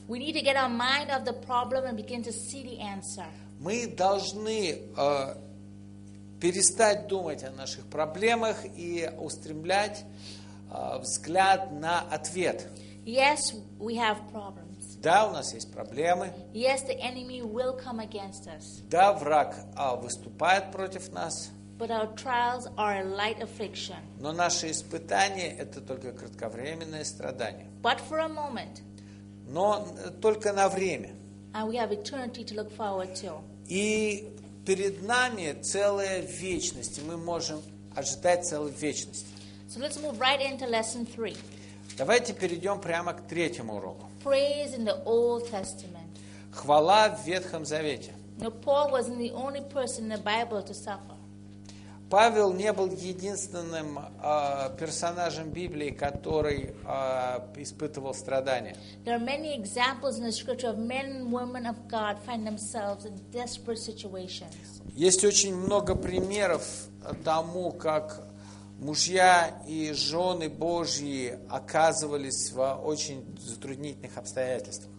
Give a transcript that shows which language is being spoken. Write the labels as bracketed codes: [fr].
[en] We need to get our mind off the problem and begin to see the answer. [ru] Мы должны перестать думать о наших проблемах и устремлять взгляд на ответ. [en] Yes, we have problems. [ru] Да, у нас есть проблемы. [en] Yes, the enemy will come against us. [ru] Да, враг выступает против нас. [en] But our trials are a light affliction. [ru] Но наши испытания – это только кратковременные страдания. [en] But for a moment. [ru] Но только на время. [en] And we have eternity to look forward to. [ru] И перед нами целая вечность, и мы можем ожидать целой вечности. [en] So let's move right into lesson three. [ru] Давайте перейдем прямо к третьему уроку. [en] Praise in the Old Testament. [ru] Хвала в Ветхом Завете. [en] Now, Paul wasn't the only person in the Bible to suffer. [ru] Павел не был единственным персонажем Библии, который испытывал страдания. [en] There are many examples in the scripture of men and women of God find themselves in desperate situations. [ru] Есть очень много примеров тому, как мужья и жены Божьи оказывались в очень затруднительных обстоятельствах.